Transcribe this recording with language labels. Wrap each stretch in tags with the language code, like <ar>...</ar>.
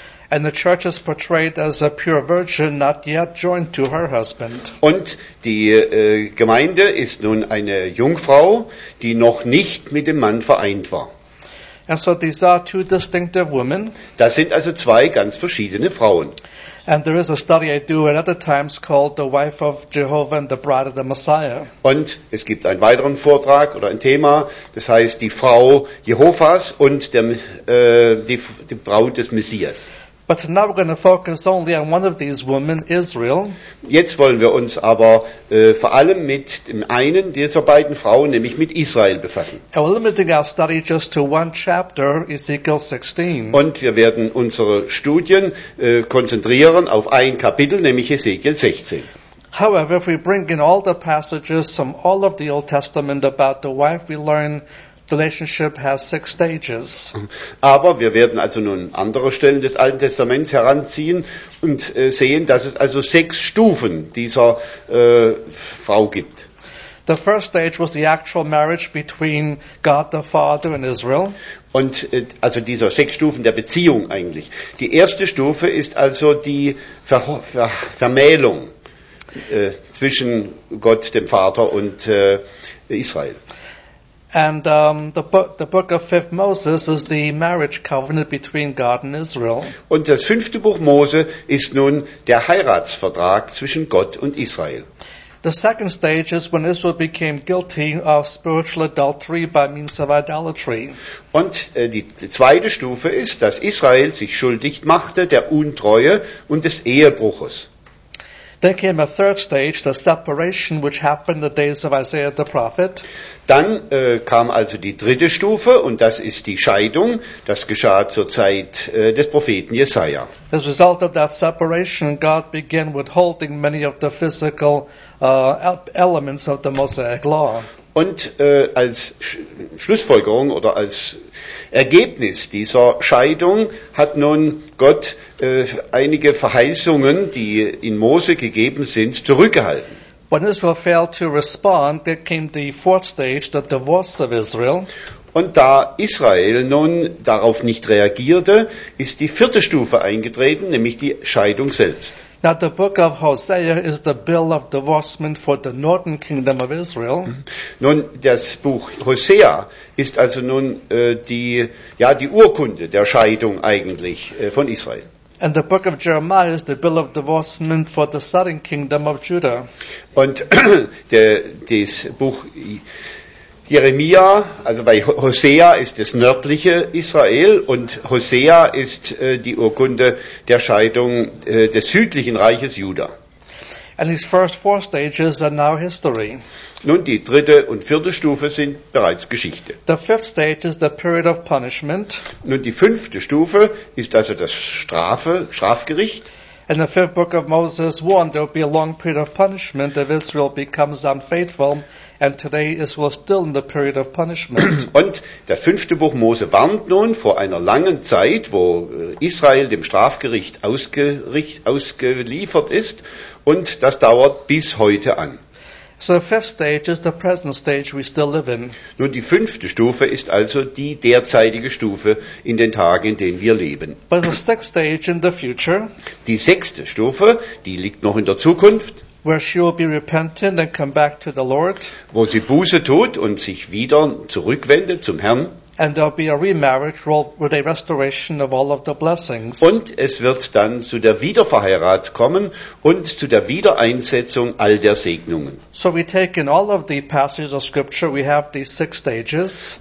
<en>And the church is portrayed as a pure virgin, not yet joined to her husband.</en> <de>Und die Gemeinde ist nun eine Jungfrau, die noch nicht mit dem Mann vereint war.</de> <en>And so these are two distinctive women.</en> <de>Das sind also zwei ganz verschiedene Frauen.</de> <en>And there is a study I do at other times called The Wife of Jehovah and the Bride of the Messiah.</en> <de>Und es gibt einen weiteren Vortrag oder ein Thema, das heißt die Frau Jehovas und der, die Braut des Messias.</de> <en>But now we're going to focus only on one of these women, Israel.</en> <de>Jetzt wollen wir uns aber vor allem mit dem einen dieser beiden Frauen, nämlich mit Israel, befassen.</de> <en>And we're limiting our study just to one chapter, Ezekiel 16.</en> <de>Und wir werden unsere Studien konzentrieren auf ein Kapitel, nämlich Ezekiel 16.</de> <en>However, if we bring in all the passages from all of the Old Testament about the wife, we learn relationship has six stages.</en> <de>Aber wir werden also nun andere Stellen des Alten Testaments heranziehen und sehen, dass es also sechs Stufen dieser Frau gibt.</de> <en>The first stage was the actual marriage between God the Father and Israel.</en> <de>Und also dieser sechs Stufen der Beziehung eigentlich. Die erste Stufe ist also die Vermählung zwischen Gott dem Vater und Israel.</de> <en>And the book of 5th Moses is the marriage covenant between God and Israel.</en> <de>Und das fünfte Buch Mose ist nun der Heiratsvertrag zwischen Gott und Israel.</de> <en>The second stage is when Israel became guilty of spiritual adultery by means of idolatry.</en> <de>Und die zweite Stufe ist, dass Israel sich schuldig machte der Untreue und des Ehebruches.</de> <en>Then came a third stage, the separation which happened in the days of Isaiah the prophet.</en> <de>Dann kam also die dritte Stufe und das ist die Scheidung, das geschah zur Zeit des Propheten Jesaja.</de> <en>As a result of that separation, God began withholding many of the physical elements of the Mosaic law.</en> <de>Und als Schlussfolgerung oder als Ergebnis dieser Scheidung hat nun Gott einige Verheißungen, die in Mose gegeben sind, zurückgehalten.</de> <en>When Israel failed to respond, there came the fourth stage, the divorce of Israel.</en> <de>Und da Israel nun darauf nicht reagierte, ist die vierte Stufe eingetreten, nämlich die Scheidung selbst.</de> <en>Now the book of Hosea is the bill of divorcement for the northern kingdom of Israel.</en> <de>Nun, das Buch Hosea ist also nun die Urkunde der Scheidung eigentlich von Israel.</de> <en>And the book of Jeremiah is the bill of divorcement for the southern kingdom of Judah.</en> <de>Und das Buch Jeremia, also bei Hosea ist das nördliche Israel und Hosea ist die Urkunde der Scheidung des südlichen Reiches Juda.</de> <en>And these first four stages are now history.</en> <de>Nun, die dritte und vierte Stufe sind bereits Geschichte.</de> <en>The fifth stage is the period of punishment.</en> <de>Nun, die fünfte Stufe ist also das Strafgericht.</de> <en>And the fifth book of Moses warned there will be a long period of punishment if Israel becomes unfaithful. And today Israel is still in the period of punishment.</en> <de>Und das fünfte Buch Mose warnt nun vor einer langen Zeit, wo Israel dem Strafgericht ausgeliefert ist, und das dauert bis heute an.</de> <en>So the fifth stage is the present stage we still live in.</en> <de>Nun, die fünfte Stufe ist also die derzeitige Stufe in den Tagen, in denen wir leben.</de> <en>But the sixth stage in the future.</en> <de>Die sechste Stufe, die liegt noch in der Zukunft.</de> <en>Where she will be repentant and come back to the Lord.</en> <de>Wo sie Buße tut und sich wieder zurückwendet zum Herrn.</de> <en>And there'll be a remarriage with a restoration of all of the blessings.</en> <de>Und es wird dann zu der Wiederverheirat kommen und zu der Wiedereinsetzung all der Segnungen.</de> <en>So we take in all of the passages of scripture, we have these six stages.</en>